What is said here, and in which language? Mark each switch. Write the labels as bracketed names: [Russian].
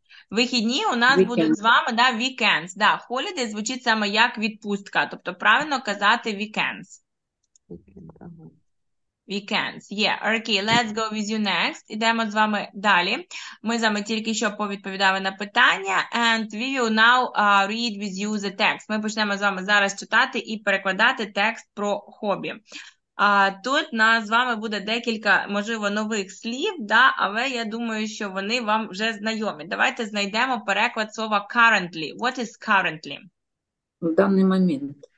[Ukrainian] Вихідні у нас weekend. Будуть з вами, да, weekends. Да, holiday звучить саме як відпустка, тобто правильно казати weekends. [English] Weekend, Weekends, yeah. Okay, let's go with you next. [Ukrainian] Ідемо з вами далі. Ми з вами тільки що повідповідали на питання. [English] And we will now read with you the text. [Ukrainian] Ми почнемо з вами зараз читати і перекладати текст про хобі. Тут нас з вами буде декілька, можливо, нових слів, да, але я думаю, що вони вам вже знайомі. Давайте знайдемо переклад слова currently. [English] What is currently? [Ukrainian] В даний момент.